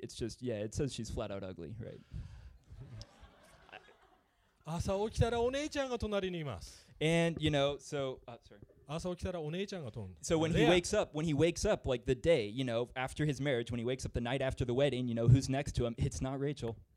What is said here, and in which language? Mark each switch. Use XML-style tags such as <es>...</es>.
<en>It's just, yeah, it says she's flat out ugly, right?</en> <ja>朝起きたらお姉ちゃんが隣にいます。</ja> <en>And you know, so when he wakes up, like the day, you know, after his marriage, when he wakes up the night after the wedding, you know, who's next to him? It's not Rachel.</en>